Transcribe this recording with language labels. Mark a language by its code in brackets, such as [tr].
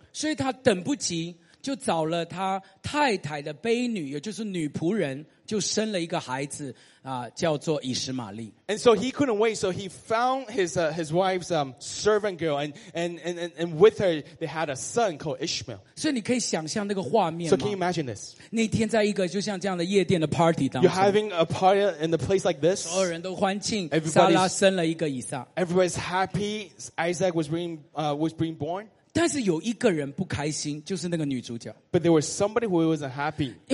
[zh] 所以他等不及，就找了他太太的婢女，也就是女仆人。就生了一个孩子, 叫做以实玛利。 [en] And so he couldn't wait, so he found his wife's servant girl, and with her, they had a son called Ishmael. [zh] 所以你可以想象那个画面吗? [en] So can you imagine this? [zh] 那天在一个就像这样的夜店的party当中, [en] you're having a party in a place like this. [zh] 所有人都欢庆, Sarah生了一个以撒。 [en] Everybody's happy, Isaac was being born. [zh] 但是有一个人不开心，就是那个女主角。 [en] But there was somebody who wasn't happy.